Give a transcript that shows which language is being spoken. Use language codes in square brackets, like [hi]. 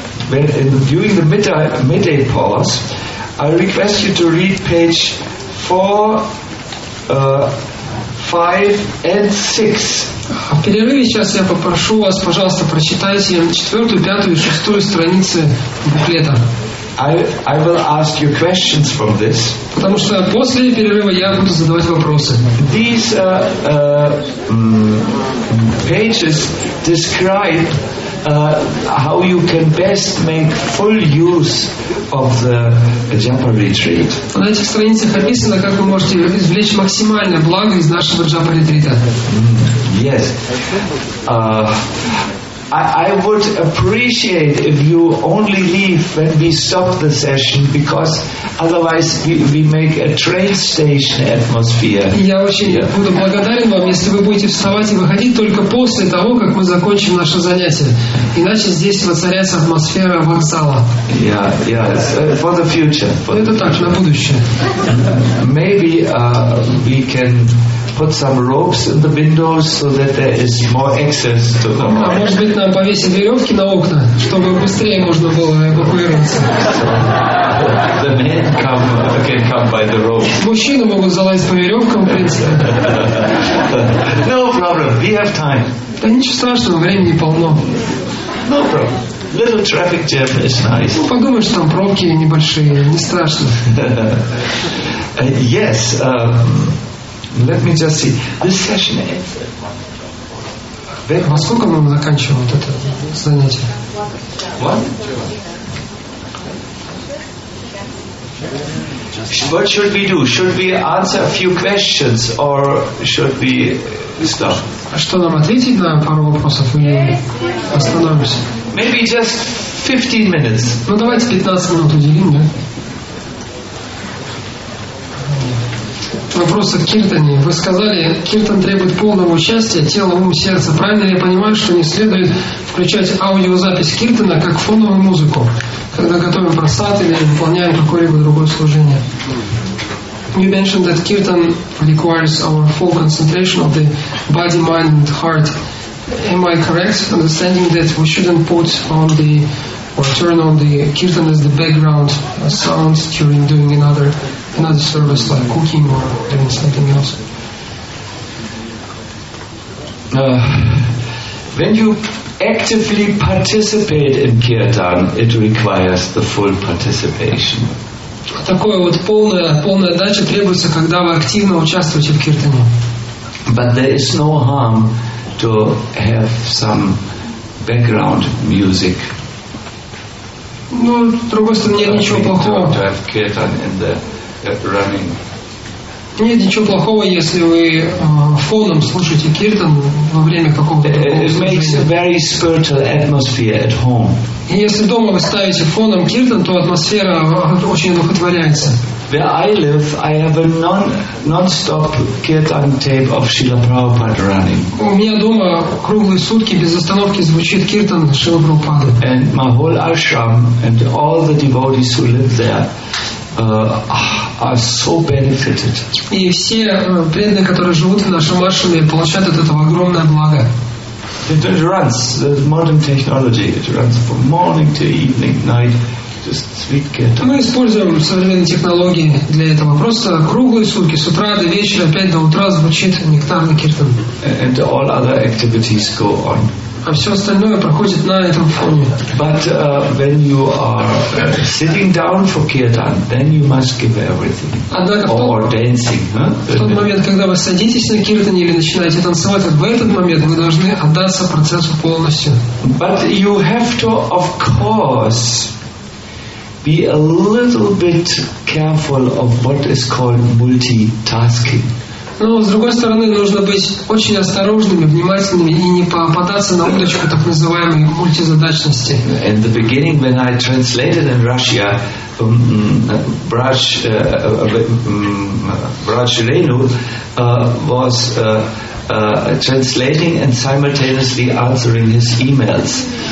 [en] During the midday pause, I request you to read page 4, 5 and 6. [ru] В перерыве сейчас я попрошу вас, пожалуйста, прочитайте 4, 5 и 6 страницы буклета. [en] I will ask you questions from this. [ru] Потому что после перерыва я буду задавать вопросы. [en] These pages describe how you can best make full use of the Japa retreat. [ru] На этих страницах описано, как вы можете извлечь максимальное благо из нашего Japa ретрита. [en] Yes. I would appreciate if you only leave when we stop the session, because otherwise we make a train station atmosphere. [ru] Я очень буду благодарен вам, если вы будете вставать и выходить только после того, как мы закончим наше занятие. Иначе здесь воцаряется атмосфера вокзала. [en] Yeah, for the future. [ru] Это так, на будущее. [en] Maybe we can put some ropes in the windows so that there is more access to the mind. [ru] А может быть нам повесить веревки на окна, чтобы быстрее можно было эвакуироваться? [en] The men can come by the ropes. [ru] Мужчины могут залазить по веревкам, в принципе. [en] No problem. We have time. [ru] Да ничего страшного, времени полно. [en] No problem. Little traffic jam is nice. [ru] Ну, подумаешь, там пробки небольшие, не страшно. [en] Yes, let me just see. This session is... [ru] Во сколько мы заканчиваем вот это занятие? [en] What? What should we do? Should we answer a few questions or should we stop? [ru] А что нам ответить на пару вопросов или остановимся? [en] Maybe just 15 minutes. [ru] Ну давайте 15 минут уделим, да? Вопрос от Киртани. Вы сказали, Киртан требует полного участия тела, ум, сердца. Правильно ли я понимаю, что не следует включать аудиозапись Киртана как фоновую музыку, когда готовим просад или выполняем какое-либо другое служение? [en] You mentioned that Kirtan requires our full concentration of the body, mind, and heart. Am I correct understanding that we shouldn't put on the or turn on the Kirtan as the background sounds during doing another service like cooking or doing something else? When you actively participate in Kirtan, it requires the full participation. [ru] Такое вот полная отдача требуется, когда вы активно участвуете в киртане. [en] But there is no harm to have some background music. [ru] Ну, с другой стороны, нет ничего плохого. [en] To have kirtan in the running. [ru] Нет ничего плохого, если вы фоном слушаете киртан во время какого-то [en] It makes a very spiritual atmosphere at home. [ru] И если дома вы ставите фоном киртан, то атмосфера очень одухотворяется. [en] Where I live, I have a non-stop kirtan tape of Srila Prabhupada running. [ru] У меня дома круглые сутки без остановки звучит киртан Шрила Прабхупады. [en] And my whole ashram and all the devotees who live there are so benefited. [ru] И все преданные, которые живут в нашем ашраме, получают от этого огромное благо. [en] It runs, the modern technology, it runs from morning to evening, night, just sweet kirtan. [ru] Мы используем современные технологии для этого. Просто круглые сутки, с утра до вечера, опять до утра звучит нектарный киртан. [en] And all other activities go on. [ru] А все остальное проходит на этом фоне. [en] But when you are sitting down for kirtan, then you must give everything. Or dancing, huh? [ru] В тот момент, когда вы садитесь на киртане или начинаете танцевать, в этот момент вы должны отдаться процессу полностью. [en] But you have to, of course, be a little bit careful of what is called multitasking. [ru] Но, с другой стороны, нужно быть очень осторожными, внимательными и не попадаться на удочку так называемой мультизадачности. [en] In the beginning, when I translated in Russia, Braj Renu was translating and simultaneously answering his emails.